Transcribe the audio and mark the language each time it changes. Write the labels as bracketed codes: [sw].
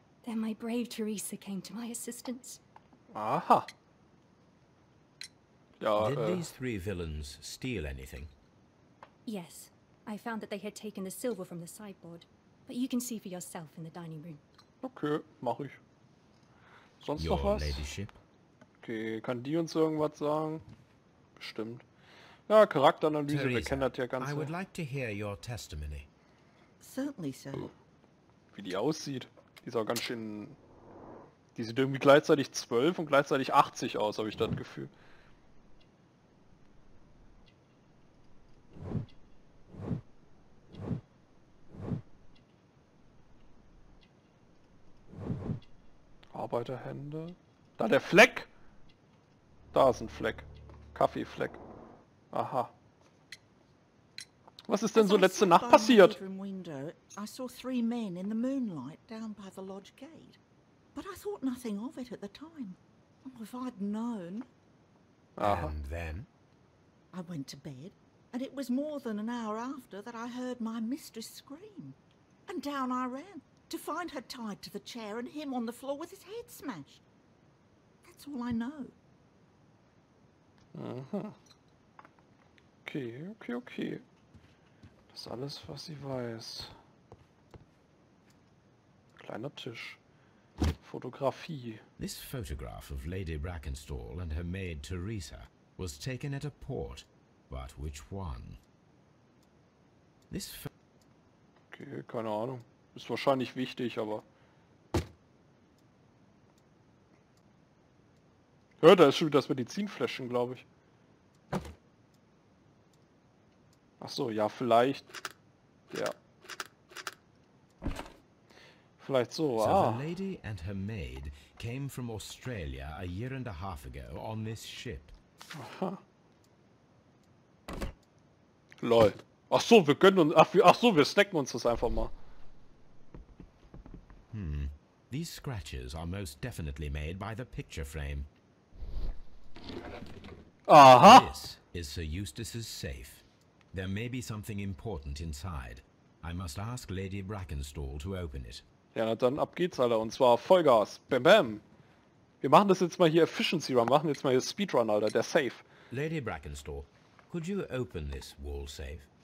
[en] Then my brave Teresa came to my assistance. Aha! Ja, did these three villains steal anything? Yes. I found that they had taken the silver from the sideboard. But you can see for yourself in the dining room. [de] Okay, mach ich. Sonst [en] Your [de] noch was? [en] Ladyship. [de] Okay, kann die uns irgendwas sagen? Bestimmt. Ja, Charakteranalyse, Teresa, wir kennen das ja ganz. [en] I would like to hear your testimony. Certainly, sir. [de] Wie die aussieht. Die ist auch ganz schön. Die sieht irgendwie gleichzeitig 12 und gleichzeitig 80 aus, habe ich das Gefühl. Arbeiterhände. Da der Fleck! Da ist ein Fleck. Kaffeefleck. Aha. Was ist denn so letzte Nacht passiert? [en] I saw three men in the moonlight down by the lodge gate. But I thought nothing of it at the time. Oh, if I'd known. And then? I went to bed, and it was more than an hour after that I heard my mistress scream. And down I ran, to find her tied to the chair and him on the floor with his head smashed. That's all I know. [de] Okay. Das ist alles, was sie weiß. Kleiner Tisch. Fotografie. [en] This photograph of Lady Brackenstall and her maid Teresa was taken at a port, but which one? [de] Okay, keine Ahnung. Ist wahrscheinlich wichtig, aber... Hör, da ist schon wieder das Medizinfläschchen, glaube ich. Ach so, ja, vielleicht... Ja. Vielleicht so, so ah. [en] The lady and her maid came from Australia a year and a half ago on this ship. Aha. Lol. [de] Ach so, wir können uns wir snacken uns das einfach mal. Hmm. [en] These scratches are most definitely made by the picture frame. Aha. This is Sir Eustace's safe. There may be something important inside. I must ask Lady Brackenstall to open it. [de] Ja, dann ab geht's, Alter. Und zwar Vollgas. Bam, bam. Wir machen das jetzt mal hier Efficiency Run. Machen jetzt mal hier Speedrun, Alter. Der Safe. [en] Lady Brackenstall, could you open this wall safe?